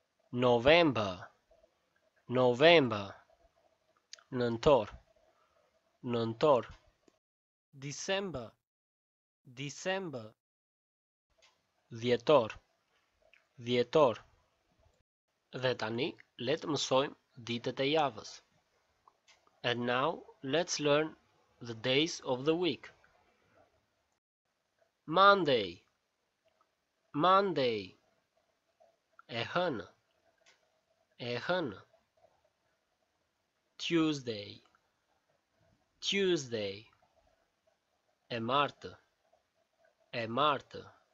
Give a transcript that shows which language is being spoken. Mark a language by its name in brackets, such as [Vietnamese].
[English] November, November, nëntor, nëntor, December, December, dhjetor, dhjetor. [Albanian] Dhe tani le të mësojmë ditët e javës. [English] And now let's learn the days of the week. [Albanian] Monday, Monday, e hënë, e hënë. Tuesday, Tuesday, e martë, e martë.